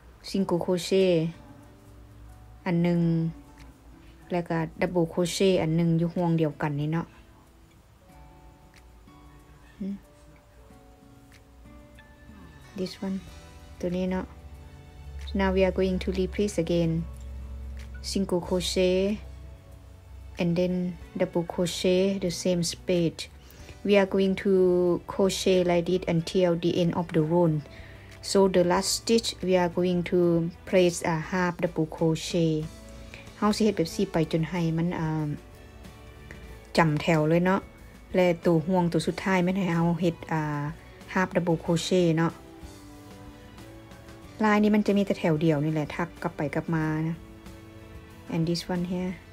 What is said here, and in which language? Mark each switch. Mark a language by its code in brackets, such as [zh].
[tts] single crochet อันหนึ่งแล้วก็ double crochet อันหนึ่งอยู่ห่วงเดียวกันนี่เนาะthis one ตัวนี้เนาะ [en] now we are going to replace again single crochetAnd then double crochet the same space. We are going to crochet like this until the end of the row. So the last stitch we are going to place a half double crochet. [tts] เราสิเฮ็ดแบบนี้ไปจนให้มันจำแถวเลยเนาะและตัวห่วงตัวสุดท้ายไม่ให้เราเฮ็ด half double crochet เนาะลายนี้มันจะมีแต่แถวเดียวนี่แหละทักกลับไปกลับมานะ [en] And this one here.